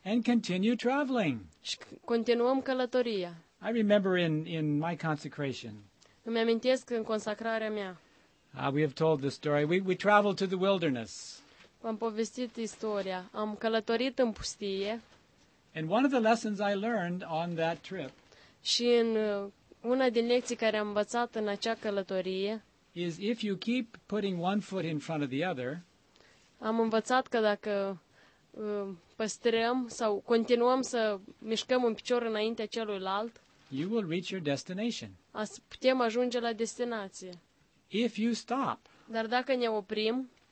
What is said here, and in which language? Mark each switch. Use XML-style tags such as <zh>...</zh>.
<en>And continue traveling.</en> <ro>Și continuăm călătoria.</ro> <en>I remember in my consecration.</en> <ro>Îmi amintesc în consacrarea mea.</ro> <en>We have told the story. We traveled to the wilderness.</en> <ro>Am povestit istoria. Am călătorit în pustie.</ro> <en>And one of the lessons I learned on that trip is if you keep putting one foot in front of the other,</en> <ro>am învățat că dacă păstrăm sau continuăm să mișcăm un picior înaintea celuilalt,</ro> <en>you will reach your destination.</en> <ro>Putem ajunge la destinație.</ro> <en>If you stop,</en> <ro>dar dacă ne oprim,</ro>